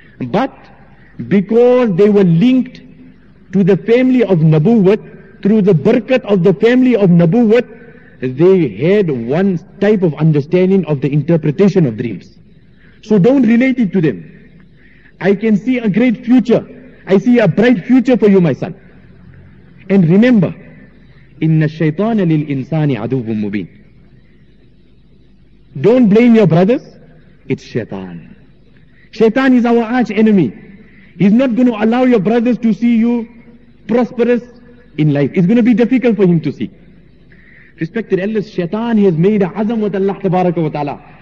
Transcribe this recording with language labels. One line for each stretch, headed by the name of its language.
English: But because they were linked to the family of Nabuwat, through the barakat of the family of Nabuwat, they had one type of understanding of the interpretation of dreams. So don't relate it to them. I can see a great future. I see a bright future for you, my son. And remember,
Arabic: إِنَّ الشَّيْطَانَ لِلْإِنسَانِ عَدُوٌّ مُبِينٌ.
English: Don't blame your brothers. It's shaitan. Shaitan is our arch enemy. He's not going to allow your brothers to see you prosperous in life. It's going to be difficult for him to see. Respected elders, shaitan has made a azam with Allah tabaraka wa ta'ala.